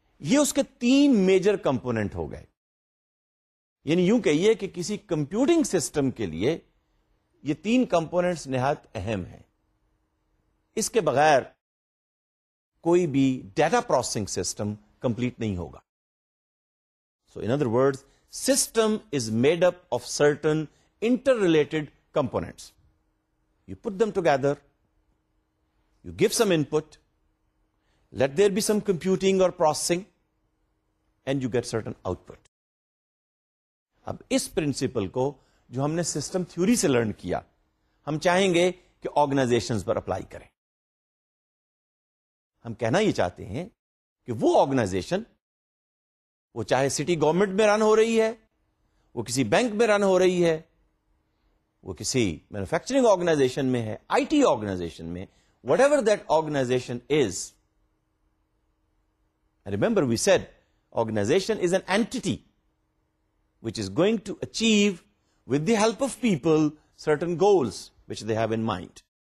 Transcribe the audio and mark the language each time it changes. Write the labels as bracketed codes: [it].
[ur] یہ اس کے تین میجر کمپوننٹ ہو گئے یعنی یوں کہیے کہ کسی کمپیوٹنگ سسٹم کے لیے یہ تین کمپوننٹس نہایت اہم ہیں اس کے بغیر کوئی بھی ڈیٹا پروسیسنگ سسٹم کمپلیٹ نہیں ہوگا [en] So in other words system is made up of certain interrelated components. You put them together, you give some input, let there be some computing or processing, and you get certain output. [ur] اب اس principal کو جو ہم نے system theory سے learn کیا ہم چاہیں گے کہ آرگنائزیشنز پر اپلائی کریں. ہم کہنا یہ چاہتے ہیں کہ وہ آرگنائزیشن, وہ چاہے سٹی گورنمنٹ میں رن ہو رہی ہے, وہ کسی بینک میں رن ہو رہی ہے, وہ کسی مینوفیکچرنگ آرگنائزیشن میں ہے, آئی ٹی آرگنائزیشن میں, [en] Whatever that organisation is, remember we said organisation is an entity which is going to achieve with the help of people certain goals which they have in mind.